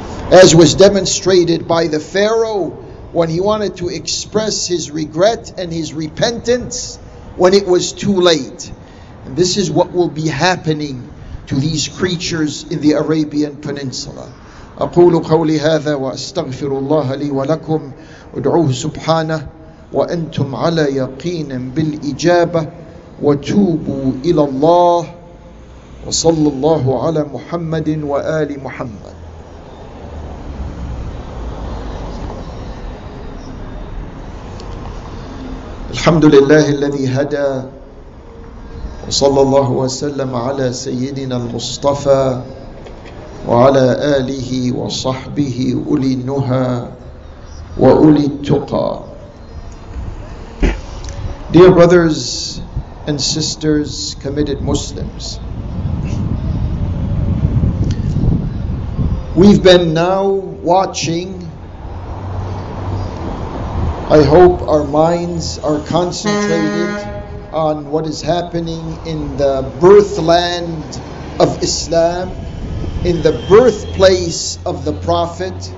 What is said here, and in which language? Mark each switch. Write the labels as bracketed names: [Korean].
[English] As was demonstrated by the Pharaoh when he wanted to express his regret and his repentance, when it was too late. And this is what will be happening to these creatures in the Arabian Peninsula. [Arabic] أقول قولي هذا وأستغفر الله لي ولكم ودعوه سبحانه وأنتم على يقين بالإجابة وتوبوا إلى الله وصلى الله على محمد وآل محمد. الحمد لله الذي هدى وصلى الله وسلم على سيدنا المصطفى وعلى آله وصحبه أولي النهى وأولي التقى. [English] Dear brothers and sisters, committed Muslims, we've been now watching, I hope our minds are concentrated on what is happening in the birthland of Islam, in the birthplace of the Prophet.